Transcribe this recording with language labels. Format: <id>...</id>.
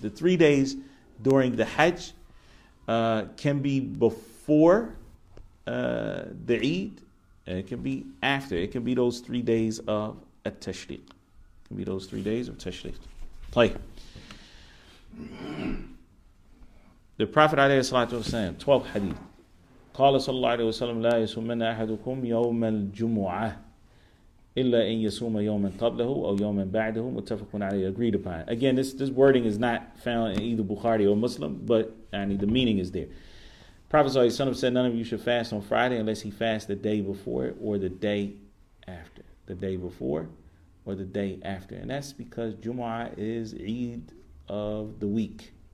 <en>The 3 days during the Hajj can be before the Eid, and it can be after. It can be those 3 days of at-tashriq. Can be those 3 days of tashriq. Play. The Prophet</en> <ar>عليه الصلاة والسلام,</ar> <en>12th hadith.</en> <ar>قال صلى الله عليه وسلم لا يسومن أحدكم يوم الجمعة إلا إن يسوم يوما قبله أو يوما بعده متفق عليه.</ar> <en>Agreed upon. Again, this wording is not found in either Bukhari or Muslim, but يعني, the meaning is there. Prophet</en> <ar>صلى الله عليه وسلم</ar> <en>said none of you should fast on Friday unless he fasts the day before it or the day after. The day before or the day after. And that's because Jumu'ah is Eid of the week.</en>